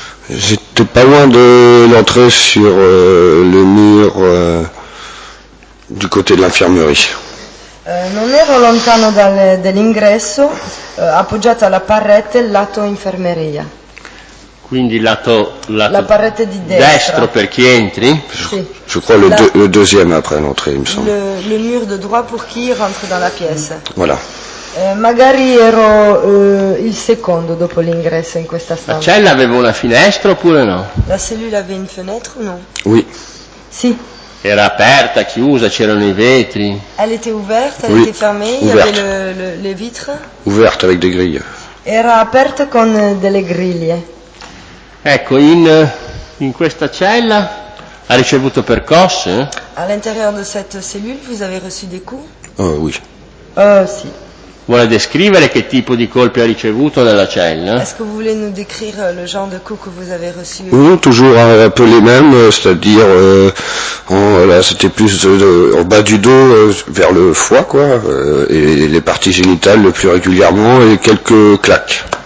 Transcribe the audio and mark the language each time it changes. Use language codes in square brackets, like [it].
[fr] J'étais pas loin de l'entrée sur le mur du côté de l'infirmerie. [it] Non ero lontano dall'ingresso, appoggiato alla parete lato infermeria. Quindi lato la parete di destra. Destro per chi entri? Sì. [fr] Je crois le deuxième après l'entrée, il me semble. Le mur de droit pour qui rentre dans la pièce. Voilà. [it] Magari ero il secondo dopo l'ingresso in questa stanza. La cella aveva una finestra oppure no? La cellula aveva [fr] une fenêtre [it] o no? [fr] Oui. [it] Sì. Era aperta, chiusa, c'erano i vetri. [fr] Elle était ouverte, elle oui. était fermée, il y avait les vitres. Ouverte avec des griglie. [it] Era aperta con delle griglie. Ecco, in questa cella ha ricevuto percosse? [fr] All'intérieur de cette cellule, vous avez reçu des coups? Oui. [it] Sì. Vuole descrivere che tipo di colpi ha ricevuto nella cella? [fr] Est-ce que vous voulez nous décrire le genre de coups que vous avez reçus? Oui, toujours un peu les mêmes, c'est-à-dire, là, c'était plus en bas du dos, vers le foie, quoi, et les parties génitales le plus régulièrement, et quelques claques.